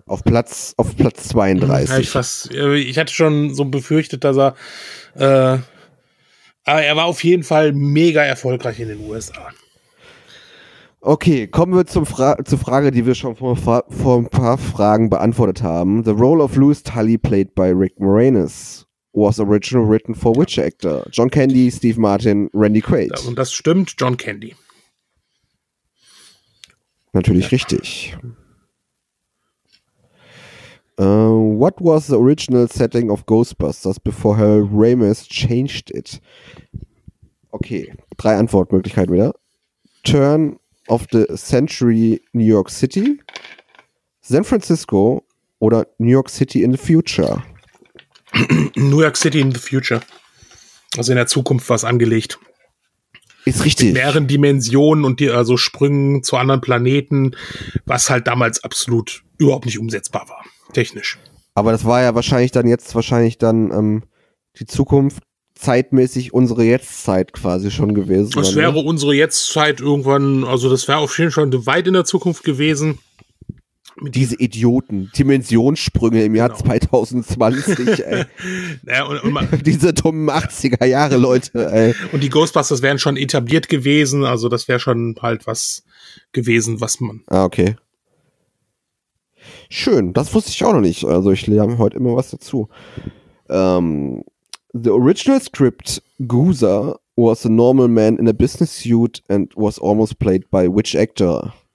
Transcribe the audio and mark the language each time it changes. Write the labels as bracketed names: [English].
[German] auf Platz 32. Ich hatte schon so befürchtet, dass er aber er war auf jeden Fall mega erfolgreich in den USA. Okay, kommen wir zur Frage, die wir schon vor ein paar Fragen beantwortet haben. [English] The role of Louis Tully, played by Rick Moranis, was originally written for which actor? John Candy, Steve Martin, Randy Quaid. [German] Ja, und das stimmt, John Candy. Natürlich richtig. [English] What was the original setting of Ghostbusters before Harold Ramis changed it? [German] Okay, drei Antwortmöglichkeiten wieder. [English] Turn of the century New York City, San Francisco oder New York City in the future? New York City in the future. [German] Also in der Zukunft war es angelegt. Ist richtig. Mit mehreren Dimensionen und die also Sprüngen zu anderen Planeten, was halt damals absolut überhaupt nicht umsetzbar war. Technisch. Aber das war ja wahrscheinlich dann die Zukunft zeitmäßig unsere Jetztzeit quasi schon gewesen. Das wäre unsere Jetztzeit irgendwann, also das wäre auf jeden Fall weit in der Zukunft gewesen. Diese Idioten, Dimensionssprünge im Jahr 2020, ey. Naja, diese dummen 80er Jahre, Leute, ey. Und die Ghostbusters wären schon etabliert gewesen, also das wäre schon halt was gewesen, was man. Ah, okay. Schön, das wusste ich auch noch nicht. Also ich lerne heute immer was dazu. [English] The original script, Goozer, was a normal man in a business suit and was almost played by which actor?